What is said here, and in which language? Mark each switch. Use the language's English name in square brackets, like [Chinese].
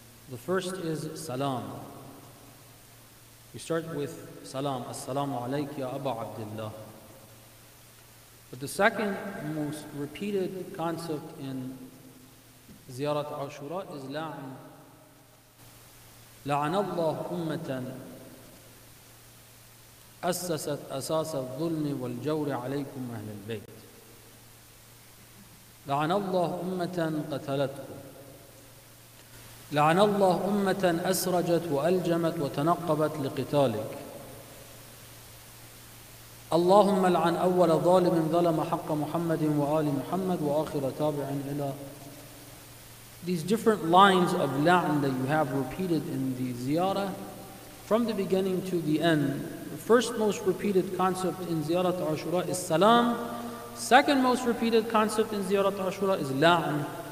[English] The first is Salam. We start with Salam, As-salamu alayki ya Aba Abdullah. But the second most repeated concept in Ziyarat Ashura is La'n. [Arabic] لعن الله أمة أسست أساس الظلم والجور عليكم أهل البيت. لعن الله أمة قتلتكم. لعن الله أمة أسرجت وألجمت وتنقبت لقتالك. اللهم لعن أول ظالم ظلم حق محمد وآل محمد وآخر تابع إلى. [English] These different lines of La'n that you have repeated in the ziyarah, from the beginning to the end, the first most repeated concept in Ziyarat Ashura is Salam. Second most repeated concept in Ziyarat Ashura is La'n.